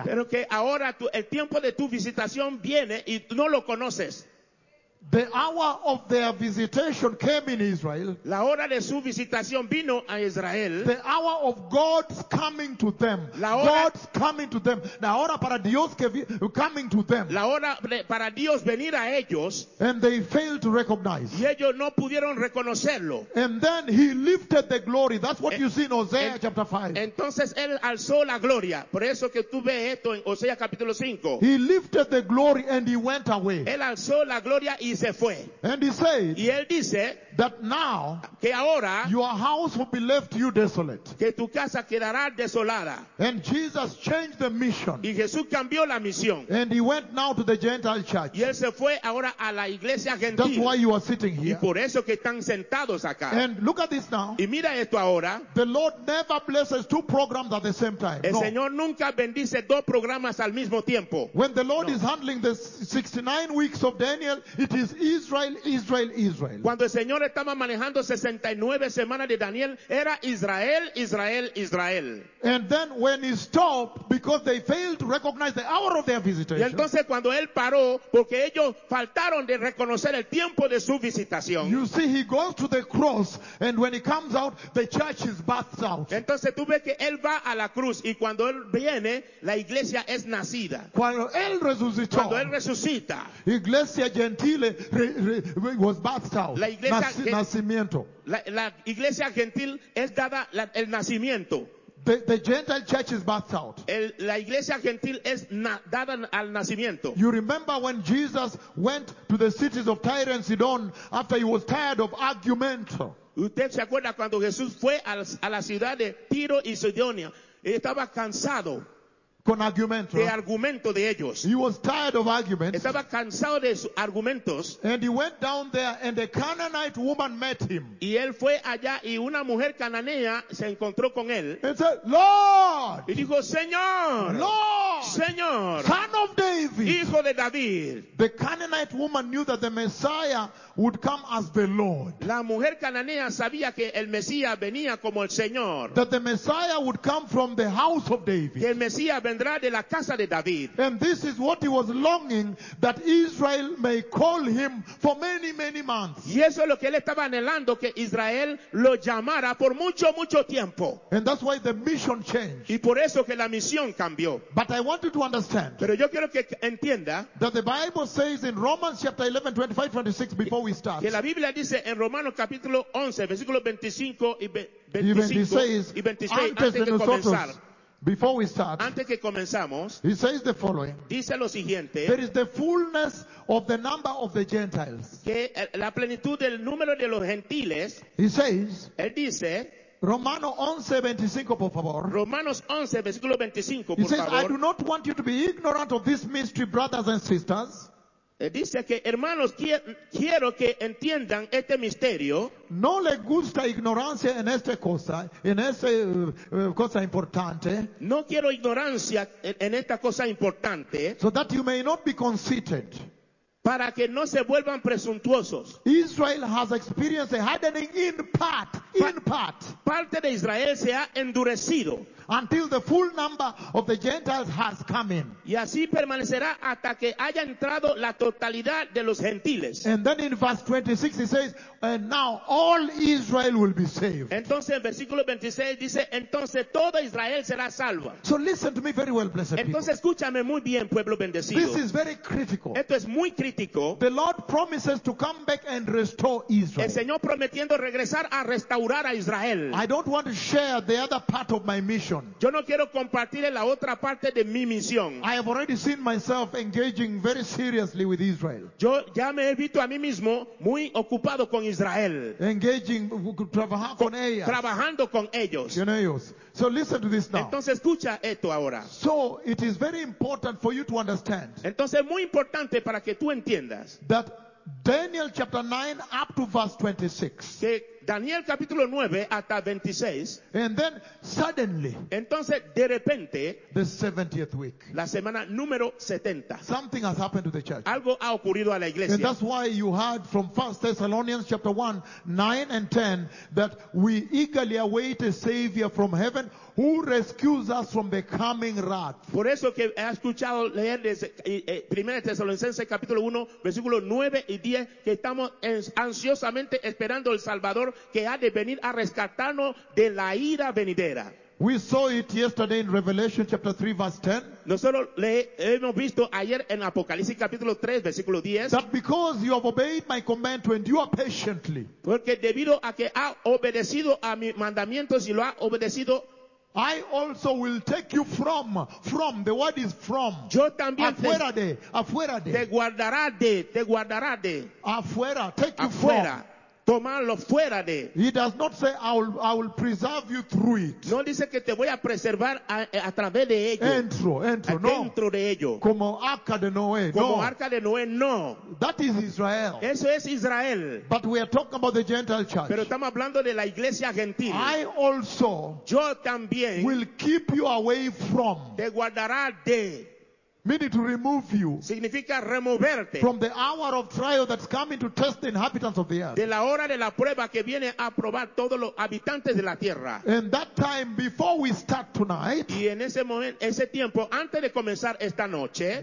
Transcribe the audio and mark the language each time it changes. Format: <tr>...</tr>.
<es>Pero que ahora tu, el tiempo de tu visitación viene y no lo conoces.</es> <en>The hour of their visitation came in Israel.</en> <es>La hora de su visitación vino a Israel.</es> <en>The hour of God's coming to them.</en> <es>La hora,</es> <en>God's coming to them.</en> <es>La hora para Dios que</es> <en>coming to them.</en> <es>La hora para Dios venir a ellos.</es> <en>And they failed to recognize.</en> <es>Y ellos no pudieron reconocerlo.</es> <en>And then he lifted the glory. That's what you see in Hosea chapter 5.</en> <es>Entonces él alzó la gloria. Por eso que tú ves esto en Hosea capítulo 5.</es> <en>He lifted the glory and he went away.</en> <es>Él alzó la gloria y se fue.</es> <en>And he said,</en> <es>y él dice,</es> <en>that now</en> <es>que ahora,</es> <en>your house will be left you desolate.</en> <es>Que tu casa quedará desolada.</es> <en>And Jesus changed the mission.</en> <es>Y Jesús cambió la misión.</es> <en>And he went now to the Gentile church.</en> <es>Y él se fue ahora a la iglesia gentil.</es> <en>That's why you are sitting here.</en> <es>Y por eso que están sentados acá.</es> <en>And look at this now.</en> <es>Y mira esto ahora.</es> <en>The Lord never blesses two programs at the same time.</en> <es>El no. Señor nunca bendice dos programas al mismo tiempo.</es> <en>When the Lord no. is handling the 69 weeks of Daniel, it is Israel, Israel, Israel.</en> <es>Cuando el Señor estaba manejando 69 semanas de Daniel, era Israel, Israel, Israel.</es> <en>And then when he stopped because they failed to recognize the hour of their visitation.</en> <es>Y entonces cuando él paró porque ellos faltaron de reconocer el tiempo de su visitación.</es> <en>You see, he goes to the cross and when he comes out, the church is bathed out.</en> <es>Entonces tú ves que él va a la cruz y cuando él viene, la iglesia es nacida. Cuando él resucitó. Cuando él resucita. Iglesia gentile</es> <en>was bathed out.</en> <es>La iglesia nacimiento. La iglesia gentil es dada el nacimiento.</es> <en>The Gentile church is bathed out.</en> <es>La iglesia gentil es dada al nacimiento.</es> <en>You remember when Jesus went to the cities of Tyre and Sidon after he was tired of argument.</en> <es>Usted se acuerda cuando Jesús fue a la ciudad de Tiro y Sidonia. Él estaba cansado. Con argumento. De argumento de ellos.</es> <en>He was tired of arguments.</en> <es>Estaba cansado de sus argumentos.</es> <en>And he went down there and a Canaanite woman met him.</en> <es>Y él fue allá y una mujer cananea se encontró con él.</es> <en>And said, Lord.</en> <es>Y dijo, Señor.</es> <en>Lord.</en> <es>Señor.</es> <en>Son of David.</en> <es>Hijo de David.</es> <en>The Canaanite woman knew that the Messiah would come as the Lord.</en> <es>La mujer cananea sabía que el Mesías venía como el Señor.</es> <en>That the Messiah would come from the house of David.</en> <es>Que el Mesías vendrá de la casa de David.</es> <en>And this is what he was longing that Israel may call him for many, many months.</en> <es>Y eso es lo que él estaba anhelando que Israel lo llamara por mucho, mucho tiempo.</es> <en>And that's why the mission changed.</en> <es>Y por eso que la misión cambió.</es> <en>But I want you to understand.</en> <es>Pero yo quiero que entienda.</es> <en>That the Bible says in Romans chapter 11, 25, 26 before we start.</en> <es>Que la Biblia dice en Romanos capítulo 11, versículo 25 y 26 antes de comenzar.</es> <en>Before we start,</en> <es>antes que comenzamos,</es> <en>he says the following.</en> <es>Dice lo siguiente.</es> <en>There is the fullness of the number of the Gentiles.</en> <es>Que la plenitud del número de los gentiles.</es> <en>He says.</en> <es>Él dice. Romanos 11, 25, por favor. Romanos 11, versículo 25,</es> <en>he</en> <es>por</es> <en>says,</en> <es>favor.</es> <en>I do not want you to be ignorant of this mystery, brothers and sisters.</en> <es>Dice que hermanos, quiero que entiendan este misterio. No le gusta ignorancia en esta cosa, cosa importante. No quiero ignorancia en esta cosa importante.</es> <en>So that you may not be conceited.</en> <es>Para que no se vuelvan presuntuosos.</es> <en>Israel has experienced a hardening in part.</en> <es>Parte de Israel se ha endurecido.</es> <en>Until the full number of the Gentiles has come in.</en> <es>Y así permanecerá hasta que haya entrado la totalidad de los gentiles.</es> <en>And then in verse 26 he says, and now all Israel will be saved.</en> <es>Entonces en versículo 26 dice, entonces todo Israel será salvo.</es> <en>So listen to me very well, blessed</en> <es>entonces,</es> <en>people.</en> <es>Entonces escúchame muy bien, pueblo bendecido.</es> <en>This is very critical.</en> <es>Esto es muy crítico. profético.</es> <en>The Lord promises to come back and restore Israel.</en> <es>El Señor prometiendo regresar a restaurar a Israel.</es> <en>I don't want to share the other part of my mission.</en> <es>Yo no quiero compartir la otra parte de mi misión.</es> <en>I have already seen myself engaging very seriously with Israel.</en> <es>Yo ya me he visto a mí mismo muy ocupado con Israel. Engaging, trabajando con ellos. Con ellos.</es> <en>So listen to this now.</en> <es>Entonces escucha esto ahora.</es> <en>So it is very important for you to understand.</en> <es>Entonces muy importante para que tú entiendas.</es> <en>That Daniel chapter 9 up to verse 26.</en> <es>Que Daniel capítulo 9 hasta 26.</es> <en>And then suddenly.</en> <es>Entonces de repente.</es> <en>The 70th week.</en> <es>La semana número 70.</es> <en>Something has happened to the church.</en> <es>Algo ha ocurrido a la iglesia.</es> <en>And that's why you heard from 1 Thessalonians chapter 1, 9 and 10 that we eagerly await a savior from heaven who rescues us from the coming wrath.</en> <es>Por eso que he escuchado leer desde 1 Tesalonicenses capítulo 1 versículo 9 y 10 que estamos ansiosamente esperando el Salvador que ha de venir a rescatarnos de la ira venidera.</es> <en>We saw it yesterday in Revelation chapter 3 verse 10.</en> <es>Nosotros le hemos visto ayer en Apocalipsis capítulo 3 versículo 10.</es> <en>That because you have obeyed my command to endure patiently.</en> <es>Porque debido a que ha obedecido a mis mandamientos y lo ha obedecido,</es> <en>I also will take you from the word is from.</en> <es>Yo también afuera de. Te guardará de.</es> <en>Afuera, take you afuera. From.</en> <es>Tomarlo fuera de.</es> <en>He does not say I will preserve you through it.</en> <es>No dice que te voy a preservar a través de ello. Dentro de ello. Como arca de Noé. Como arca de Noé.</es> <en>That is Israel.</en> <es>Eso es Israel.</es> <en>But we are talking about the Gentile church.</en> <es>Pero estamos hablando de la iglesia gentil.</es> <en>I also.</en> <es>Yo también.</es> <en>Will keep you away from.</en> <es>Te guardará de.</es> <en>Meaning to remove you.</en> <es>Significa removerte.</es> <en>From the hour of trial that's coming to test the inhabitants of the earth.</en> <es>De la hora de la prueba que viene a probar todos los habitantes de la tierra.</es> <en>And that time before we start tonight.</en> <es>Y en ese momento, ese tiempo, antes de comenzar esta noche.</es>